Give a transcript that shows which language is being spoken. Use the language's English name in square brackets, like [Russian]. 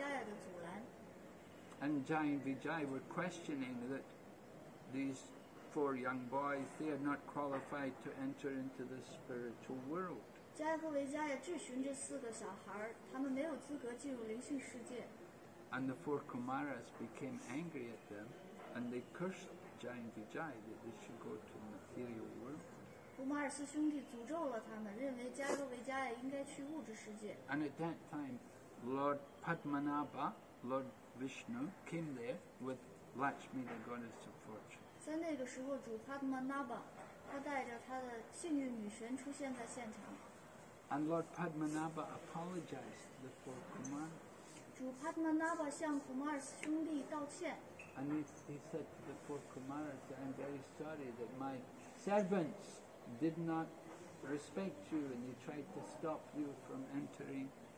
[Chinese] 他们到了第七重门，受到加和维加亚的阻拦。 [English] And Jai and Vijay were questioning that these four young boys, they are not qualified to enter into the spiritual world. [Chinese] 加和维加亚质询这四个小孩，他们没有资格进入灵性世界。 [English] And the four Kumaras became angry at them, and they cursed Jai and Vijay that they should go to the material world. [Chinese] 古马尔斯兄弟诅咒了他们，认为加多维加亚应该去物质世界。 [English] And at that time, Lord Padmanabha, Lord Vishnu, came there with Lakshmi, the goddess of fortune. [Chinese] 在那个时候，主帕德曼纳巴，他带着他的幸运女神出现在现场。 [English] And Lord Padmanabha apologized to the four Kumaras. [Chinese] 主帕德曼纳巴向古马尔斯兄弟道歉。 [English] And he said to the four Kumaras, "I am very sorry that my servants did not respect you, and they tried to stop you from entering